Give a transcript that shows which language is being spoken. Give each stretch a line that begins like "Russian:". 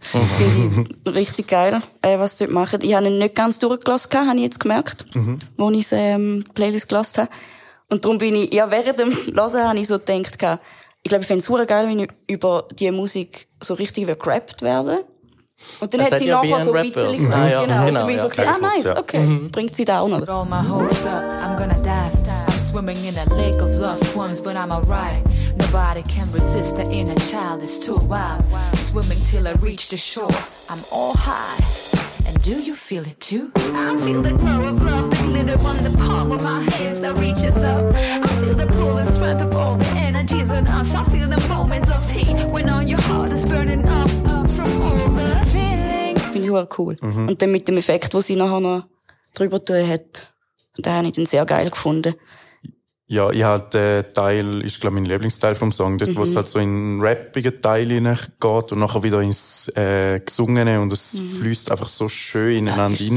German: Finde ich richtig geil, was sie dort machen. Ich habe ihn nicht ganz durchgelassen, habe ich jetzt gemerkt, als ich die Playlist gelassen habe. Und darum bin ich, ja, während dem Hören habe ich so gedacht, ich glaube, ich fände es super geil, wenn ich über diese Musik so richtig gerappt werde. Und dann hat sie nachher so ein bisschen gemacht. Genau. Und dann bin ich so, nice, okay. Ja. Bringt sie down, oder?
English: All my hopes up, I'm gonna dive. I'm swimming in a lake of lost ones, but I'm alright. Nobody can resist the inner child, it's too wild. Swimming till I reach the shore, I'm all high. And do you feel it too? I feel the glow of love, the glitter on the palm of my hands that reaches up. I feel the pull and strength of all the energies in us. I feel the moments of heat when all your heart is burning up, up from all the feelings.
German: Finde ich auch cool. Mhm. Und dann mit dem Effekt, den sie nachher noch drüber tun hat, den habe ich dann sehr geil gefunden. Ja, ich halt, Teil, ist, glaube ich, mein Lieblingsteil vom Song, dort, wo es halt so in einen rappigen Teil hineingeht und nachher wieder ins, Gesungene und es fließt einfach so schön ineinander rein.